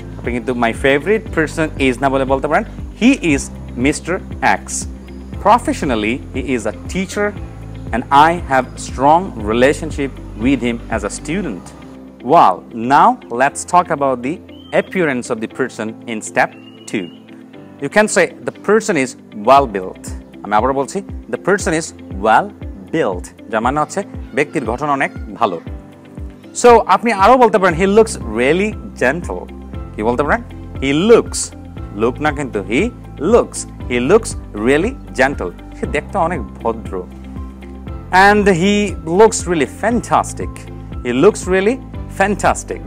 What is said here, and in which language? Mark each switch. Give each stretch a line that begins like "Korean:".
Bangla: আপনি কিন্তু
English: my favourite person is
Bangla: না বলে বলতে পারেন,
English: He is mister X. Professionally he is a teacher and I have strong relationship with him as a student. Well, now let's talk about the appearance of the person in step two. You can say the person is well built.
Bangla: আমি আবার বলছি,
English: the person is well built.
Bangla: যার মানে হচ্ছে ব্যক্তির গঠন অনেক ভালো। সো আপনি আরো বলতে পারেন,
English: He looks really gentle.
Bangla: কি বলতে পারেন?
English: he looks, look না কিন্তু he looks, he looks really gentle,
Bangla: সে দেখতে অনেক ভদ্র।
English: And he looks really fantastic, he looks really fantastic.